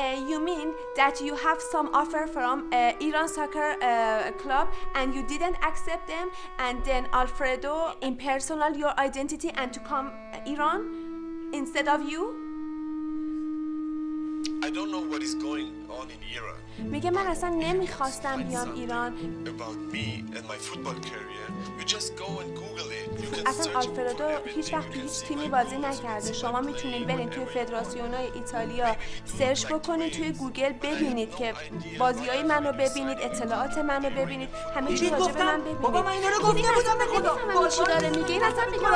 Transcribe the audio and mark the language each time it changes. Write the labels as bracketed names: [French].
[English] You mean that you have some offer from Iran soccer club and you didn't accept them and then Alfredo impersonal your identity and to come Iran instead of you? I don't know what is going on in Iran. [Persian] میگه من اصلا نمیخواستم بیام ایران. [English] About me and my football career, you just go and Google it. You can [Persian] اصلا آلفردو هیچ وقت هیچ تیمی بازی نکرده. شما میتونید برید توی فدراسیونای ایتالیا سرچ بکنید، توی گوگل ببینید که بازیای منو ببینید، اطلاعات منو ببینید، همه چی راجع به من ببینید. بابا من اینا رو گفته بودم به خدا. بابا چی داره میگه؟ این اصلا میگه من